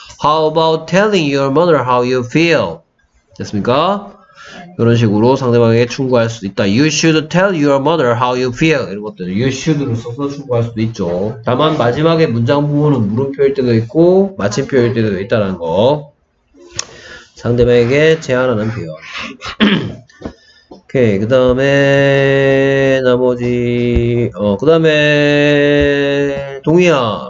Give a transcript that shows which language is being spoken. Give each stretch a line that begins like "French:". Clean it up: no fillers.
English: How about telling your mother how you feel?
Korean: 됐습니까? 이런 식으로 상대방에게 충고할 수도 있다.
English: You should tell your mother how you feel.
Korean: 이런 것들.
English: You should
Korean: 로 써서 충고할 수도 있죠. 다만 마지막에 문장 부분은 물음표일 때도 있고 마침표일 때도 있다는 거. 상대방에게 제안하는 표현. 오케이. 그 다음에 나머지 그 다음에 동희야.